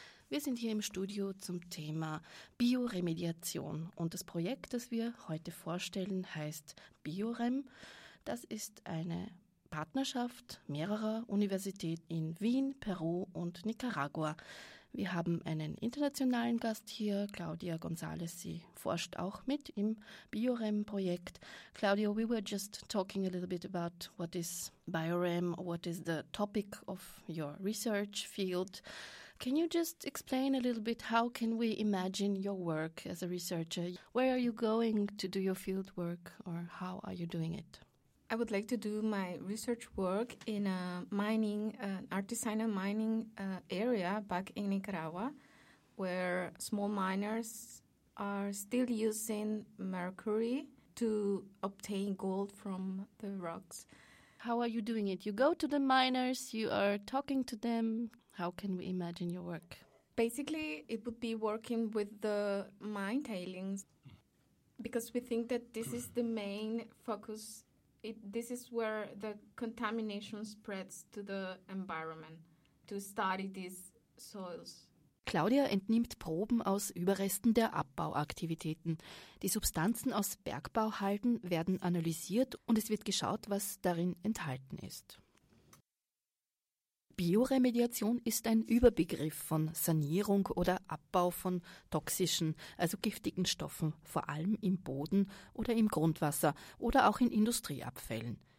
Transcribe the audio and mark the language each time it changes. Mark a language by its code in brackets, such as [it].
[de] Wir sind hier im Studio zum Thema Bioremediation und das Projekt, das wir heute vorstellen, heißt BioRem. Das ist eine Partnerschaft mehrerer Universitäten in Wien, Peru und Nicaragua. Wir haben einen internationalen Gast hier, Claudia González. Sie forscht auch mit im BioRem-Projekt. [en] Claudia, we were just talking a little bit about what is BioRem, what is the topic of your research field. Can you just explain a little bit how can we imagine your work as a researcher? Where are you going to do your field work or how are you doing it? I would like to do my research work in a mining, artisanal mining area back in Nicaragua, where small miners are still using mercury to obtain gold from the rocks. How are you doing it? You go to the miners, you are talking to them. How can we imagine your work? Basically, it would be working with the mine tailings, because we think that this is the main focus. This is where the contamination spreads to the environment, to study these soils. [de] Claudia entnimmt Proben aus Überresten der Abbauaktivitäten. Die Substanzen aus Bergbauhalden werden analysiert und es wird geschaut, was darin enthalten ist. Bioremediation ist ein Überbegriff von Sanierung oder Abbau von toxischen, also giftigen Stoffen, vor allem im Boden oder im Grundwasser oder auch in Industrieabfällen.